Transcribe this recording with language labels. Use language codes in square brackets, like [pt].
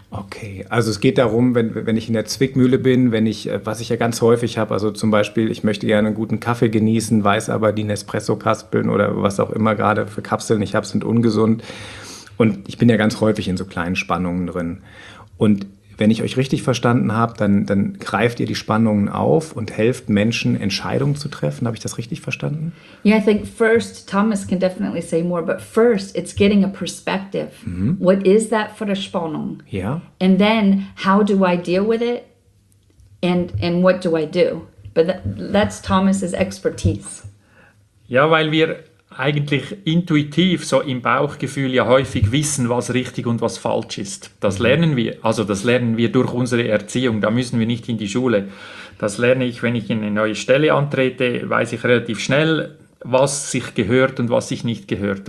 [de] Okay, also es geht darum, wenn ich in der Zwickmühle bin, wenn ich, was ich ja ganz häufig habe, also zum Beispiel, ich möchte gerne einen guten Kaffee genießen, weiß aber, die Nespresso-Kapseln oder was auch immer gerade für Kapseln ich habe, sind ungesund. Und ich bin ja ganz häufig in so kleinen Spannungen drin. Und wenn ich euch richtig verstanden habe, dann greift ihr die Spannungen auf und helft Menschen, Entscheidungen zu treffen. Habe ich das richtig verstanden? [en] Yeah, I think first, Thomas can definitely say more, but first it's getting a perspective. Mm-hmm. What is that for a Spannung? Yeah. And then how do I deal with it? And what do I do? But that's Thomas's expertise. [de] Ja, weil wir eigentlich intuitiv, so im Bauchgefühl, ja häufig wissen, was richtig und was falsch ist. Das lernen wir, also das lernen wir durch unsere Erziehung, da müssen wir nicht in die Schule. Das lerne ich, wenn ich in eine neue Stelle antrete, weiß ich relativ schnell, was sich gehört und was sich nicht gehört.